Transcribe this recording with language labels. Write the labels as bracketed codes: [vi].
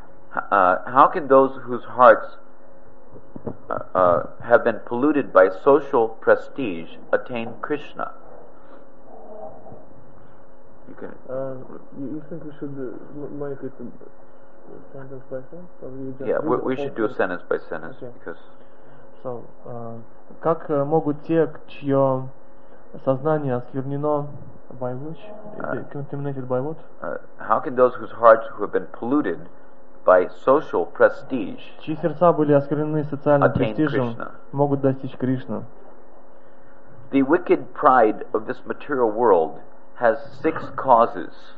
[en] How can those whose hearts have been polluted by social prestige attain Krishna? You can. You think we should make it sentence by sentence? Yeah, we should do a sentence by sentence, okay. Because. [ru] So, как могут те, чье сознание осквернено [en] by which? Contaminated by what? How can those whose hearts who have been polluted by social prestige, [ru] чьи сердца были осквернены социальным престижем, могут достичь Кришны? [en] The wicked pride of this material world has six causes.